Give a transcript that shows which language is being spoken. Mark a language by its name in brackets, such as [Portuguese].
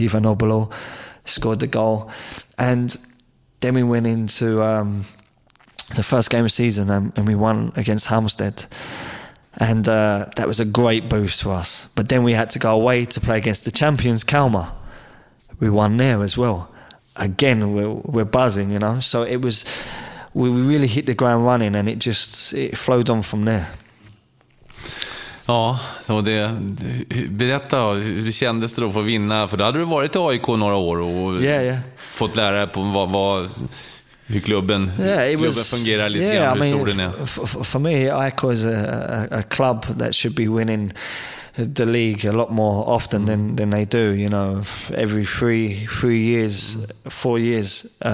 [English] Ivan Obolo scored the goal. And then we went into the first game of season, and we won against Halmstad, and that was a great boost for us. But then we had to go away to play against the champions, Kalmar. We won there as well. Again, we're buzzing, you know. So it was, we really hit the ground running, and it flowed on from there. [Swedish] Ja, och det, berätta hur kändes det då för att vinna, för då hade du varit i AIK några år och fått lära dig på vad hur klubben fungerar lite grann, hur stor den är. [English] For me, AIK is a club that should be winning the league a lot more often than they do, you know, every four years.